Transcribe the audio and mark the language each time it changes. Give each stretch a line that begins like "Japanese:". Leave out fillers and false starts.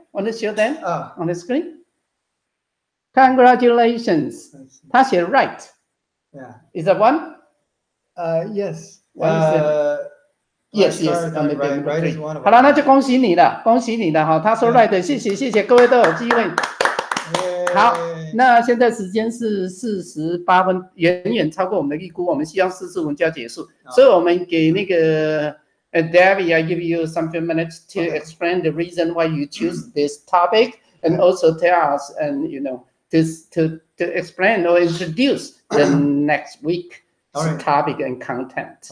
English: Want to show them on the screen? Congratulations.
Chinese: 他写
English: right. Yeah. Is that one? Yes. What is it? Yes, yes. On the right, right is one of
Chinese: 好了，那就恭喜你了，恭喜你了。他说
English: right,、yeah.
Chinese: 谢谢，谢谢，各位都有机会。好，那现在时间是48分，远远超过我们的预估，我们希望45分就要结束，所以我们给那个
English: David, I give you some few minutes to explain the reason why you choose this topic, and also tell us, and you know, to explain or introduce the next week's topic and content.